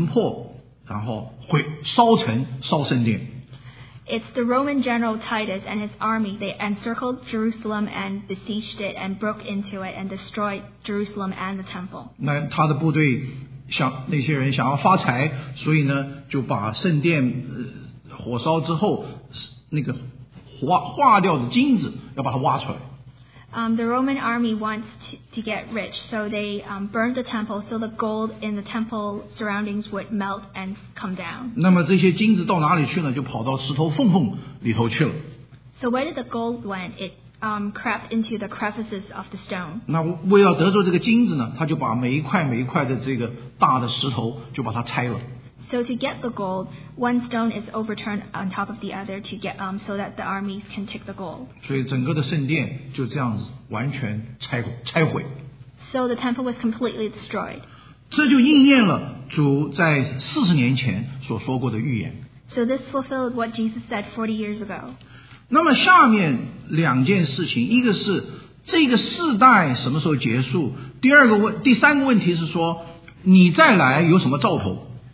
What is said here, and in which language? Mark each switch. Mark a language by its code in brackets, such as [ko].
[zh] 就是罗马的王子提多带着罗马的部队围攻耶路撒冷城破，然后毁烧城烧圣殿。 [en] It's the Roman general Titus and his army. They encircled Jerusalem and besieged it and broke into it and destroyed Jerusalem and the temple. [zh] 那他的部队想那些人想要发财，所以呢就把圣殿火烧之后那个化掉的金子要把它挖出来。 [en] The Roman army wants to get rich, so they burned the temple, so the gold in the temple surroundings would melt and come down. [zh] 那么这些金子到哪里去呢?就跑到石头缝缝里头去了。 [en] So where did the gold went? It crept into the crevices of the stone. [zh] 那为了得到这个金子呢, 他就把每一块每一块的这个大的石头就把它拆了。 [en] So to get the gold, one stone is overturned on top of the other to get so that the armies can take the gold. [zh] 所以整个的圣殿就这样子完全拆毁。 [en] So the temple was completely destroyed. [zh] 这就应验了主在40年前所说过的预言。 [en] So this fulfilled what Jesus said 40 years ago. [zh] 那么下面两件事情, 一个是这个世代什么时候结束, 第三个问题是说, 你再来有什么兆头?